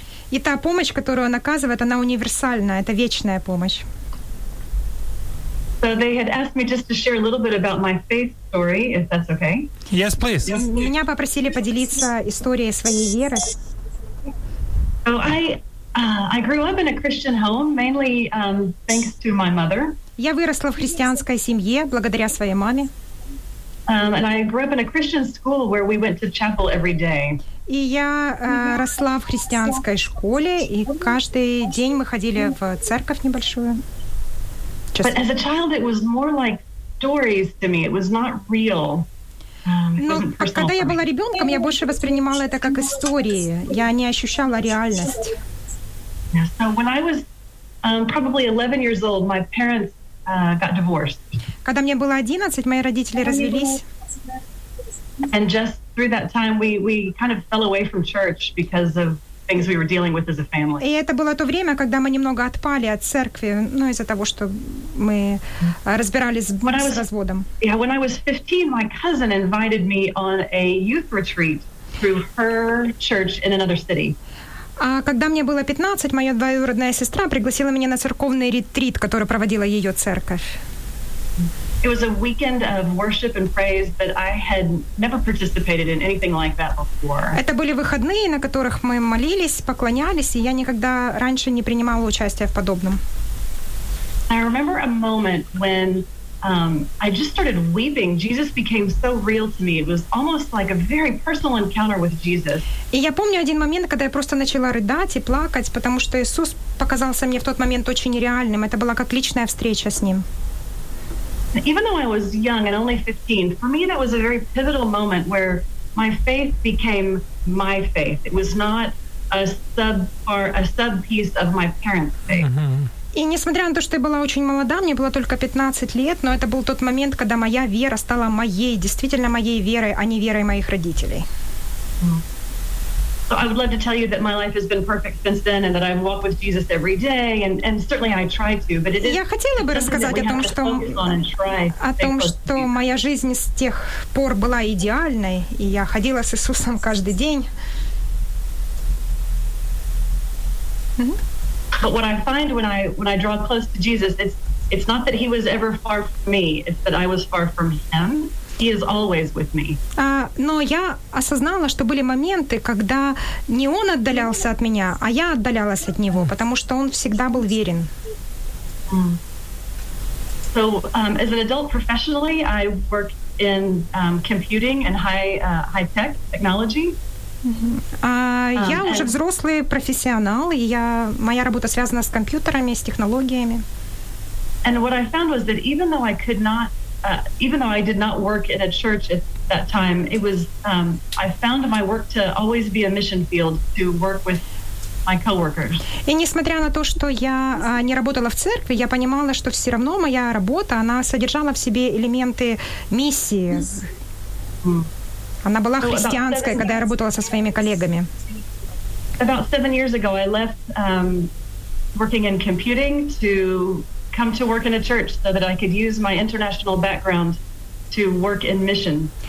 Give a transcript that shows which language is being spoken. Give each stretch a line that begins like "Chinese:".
Russian: И та помощь, которую Он оказывает, она универсальна, это вечная помощь.
English: So they had asked me just to share a little bit about my faith story, if that's okay. Yes, please.
Russian: Меня попросили поделиться историей своей веры.
English: So I grew up in a Christian home, mainly thanks to my mother.
Russian: Я выросла в христианской семье благодаря своей маме.
English: And I grew up in a Christian school where we went to chapel every day.
Russian: И я росла в христианской школе, и каждый день мы ходили в церковь небольшую.
English: But as a child, it was more like stories to me. It was not real.
Russian: Но когда я была ребенком, я больше воспринимала это как истории. Я не ощущала реальность.
English: So when I was probably 11 years old, my parents got divorced.
Russian: Когда мне было 11, мои родители развелись.
English: And just through that time, we kind of fell away from church because of things we were dealing with as a family.
Russian: И это было то время, когда мы немного отпали от церкви, ну, из-за того, что мы разбирались с разводом.
English: Yeah, when I was 15, my cousin invited me on a youth retreat through her church in another city.
Russian: А когда мне было 15, моя двоюродная сестра пригласила меня на церковный ретрит, который проводила ее церковь.
English: It was a weekend of worship and praise, but I had never participated in anything like that before.
Russian: Это были выходные, на которых мы молились, поклонялись, и я никогда раньше не принимала участия в подобном.
English: I remember a moment when I just started weeping. Jesus became so real to me. It was almost like a very personal encounter with Jesus.
Russian: И я помню один момент, когда я просто начала рыдать и плакать, потому что Иисус показался мне в тот момент очень реальным. Это была как личная встреча с Ним.
English: Even though I was young and only 15, for me that was a very pivotal moment where my faith became my faith. It was not a sub piece of my parents' faith. Mm-hmm.
Russian: И несмотря на то, что я была очень молода, мне было только 15 лет, но это был тот момент, когда моя вера стала моей, действительно моей верой, а не верой моих родителей.
English: So I would love to tell you that my life has been perfect since then and that I've walked with Jesus every day and certainly I try to, but it is.
Russian: Я хотела бы рассказать о том, что моя жизнь с тех пор была идеальной, и я ходила с Иисусом каждый день.
English: But what I find when I draw close to Jesus, it's not that he was ever far from me, it's that I was far from him. He is always with me.
Russian: Но я осознала, что были моменты, когда не он отдалялся от меня, а я отдалялась от него, потому что он всегда был верен.
English: So, as an adult professionally, I work in computing and high-tech technology.
Russian: Я уже взрослый профессионал, и моя работа связана с компьютерами, с технологиями.
English: And what I found was that even though I did not work in a church at that time, it was I found my work to always be a mission field to work with my coworkers.
Russian: И несмотря на то, что я не работала в церкви, я понимала, что все равно моя работа, она содержала в себе элементы миссии. Она была христианской, когда я работала со своими коллегами.
English: About 7 years ago I left working in computing to come to work in a church so that I could use my international background to work in mission.